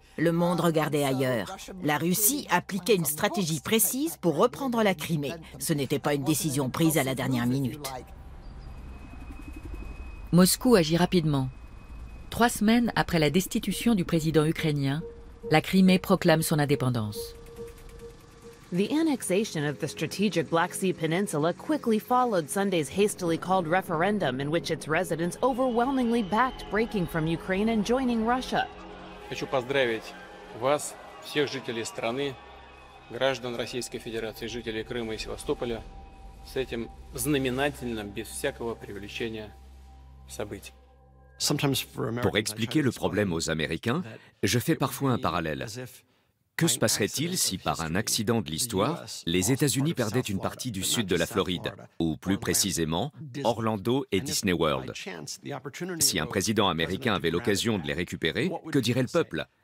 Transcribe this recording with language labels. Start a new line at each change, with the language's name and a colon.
French: Le monde regardait ailleurs. La Russie appliquait une stratégie précise pour reprendre la Crimée. Ce n'était pas une décision prise à la dernière minute. Moscou agit rapidement. Trois semaines après la destitution du président ukrainien, la Crimée proclame son indépendance.
English: The annexation of the strategic Black Sea Peninsula quickly followed Sunday's hastily called referendum in which its residents overwhelmingly backed breaking from Ukraine and joining Russia.
Russian: Хочу поздравить вас, всех жителей страны, граждан Российской Федерации, жителей Крыма и Севастополя с этим знаменательным, без всякого привлечения, событием.
French: Pour expliquer le problème aux Américains, je fais parfois un parallèle. Que se passerait-il si, par un accident de l'histoire, les États-Unis perdaient une partie du sud de la Floride, ou plus précisément, Orlando et Disney World? Si un président américain avait l'occasion de les récupérer, que dirait le peuple?